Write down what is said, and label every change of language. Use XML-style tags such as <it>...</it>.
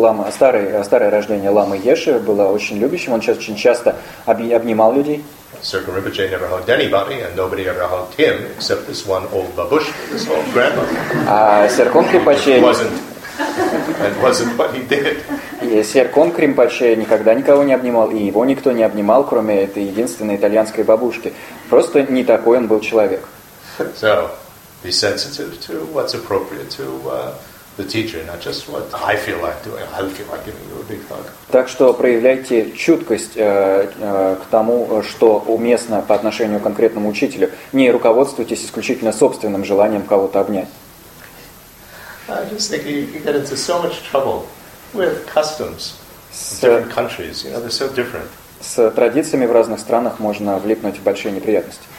<ru>Старое рождение Ламы Йеши было очень любящим. Он очень часто обнимал людей.</ru> <en>Sirkin Rinpoche never hugged anybody, and nobody ever hugged him, except this one old babushka, this old grandma. Sirkin Rinpoche It wasn't what he did.</en> <ru>Серком Кримпаче никогда никого не обнимал, и его никто не обнимал, кроме этой единственной итальянской бабушки. Просто не такой он был человек.</ru> <en>So, be sensitive to what's appropriate to the teacher, not just what I feel like doing. I feel like giving you a big hug.</en> <ru>Так что проявляйте чуткость к тому, что уместно по отношению к конкретному учителю. Не руководствуйтесь исключительно собственным желанием кого-то обнять.</ru> <en>I just think you get into so much trouble with customs in different countries. You know, they're so different.</en> <ru>С традициями в разных странах можно влипнуть в большие неприятности.</ru>